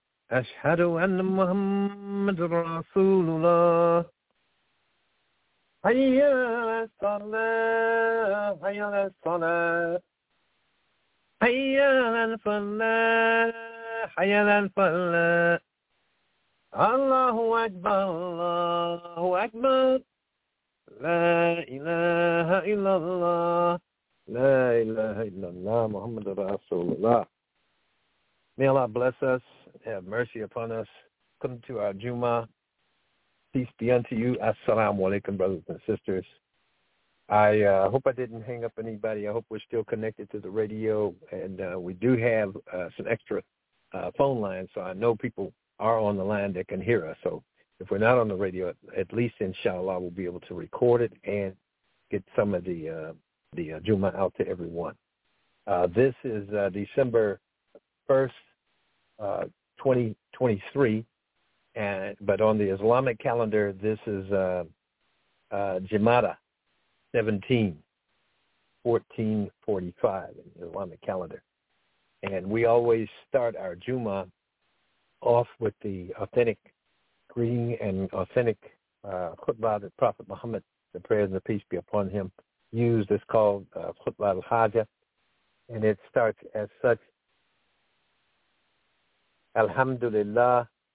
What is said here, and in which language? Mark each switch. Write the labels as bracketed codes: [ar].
[ar] أشهد أن محمد رسول الله حي على الصلاة حي على الصلاة حي على الفلاح حي على الفلاح الله أكبر الله أكبر لا إله إلا الله لا إله إلا الله محمد رسول الله. [en] May Allah bless us, have mercy upon us. Come to our Juma. Peace be unto you. Assalamu alaikum, brothers and sisters. I hope I didn't hang up anybody. I hope we're still connected to the radio, and we do have some extra phone lines, so I know people are on the line that can hear us. So if we're not on the radio, at least inshallah we'll be able to record it and get some of the Juma out to everyone. This is December 1st, 2023, but on the Islamic calendar this is Jumada 17, 1445 in the Islamic calendar. And we always start our Juma off with the authentic greeting and authentic khutbah that Prophet Muhammad, the prayer and the peace be upon him, used. It's called khutbah al-hajah, and it starts as such: Alhamdulillahi